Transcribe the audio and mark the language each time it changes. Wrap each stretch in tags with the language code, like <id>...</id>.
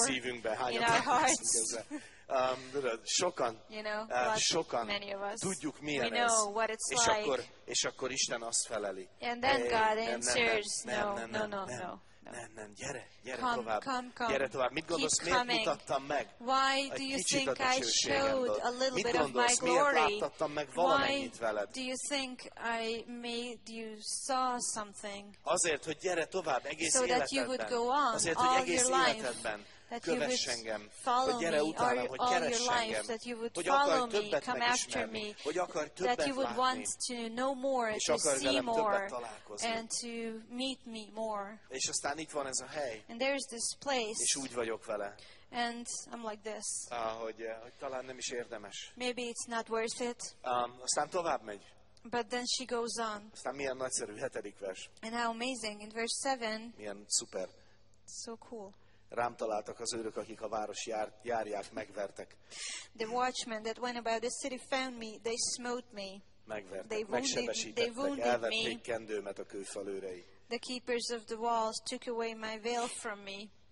<hu>A szívünkben, hányan találkoztunk ezzel. Sokan</hu> <en>many of us.</en> <hu>Tudjuk, milyen</hu> <en>we know what it's</en> <hu>és</hu> <en>like.</en> <hu>És akkor Isten azt feleli.</hu> <en>And then God answers,</en> <hu>nem, gyere, Gyere tovább.</hu> <en>Come.</en> <hu>Gyere tovább. Mit gondolsz, miért mutattam meg?</hu> <en>Why do you think I showed a little bit of my glory?</en> <hu>Miért láttattam meg valamennyit veled?</hu> <en>Why do you think I made you saw something?</en> <hu>Azért, hogy gyere tovább egész életedben.</hu> <en>So that you would go on.</en> <hu>Azért, hogy egész életedben.</hu> <en>That you would follow me all your life, that you would follow me, come after me, that you would want to know more, to see more, and to meet me more.</en> <hu>És aztán itt van ez a hely.</hu> <en>And there is this place.</en> <hu>És úgy vagyok vele.</hu> <en>And I'm like this.</en> <hu>Hogy talán nem is érdemes.</hu> <en>Maybe it's not worth it.</en> <hu>Aztán tovább megy.</hu> <en>But then she goes on.</en> <hu>Aztán milyen nagyszerű, hetedik vers.</hu> <en>And how amazing in verse 7.</en> <hu>Milyen szuper.</hu> <en>So cool.</en> <hu>Rám találtak az őrök, akik a város járják, megvertek.</hu> <en>The watchmen that went about the city found me, they smote me.</en> <hu>Megvertek, megsebesítettek, elvették kendőmet a kőfalőrei.</hu> <en>The keepers of the walls took away my veil from me.</en>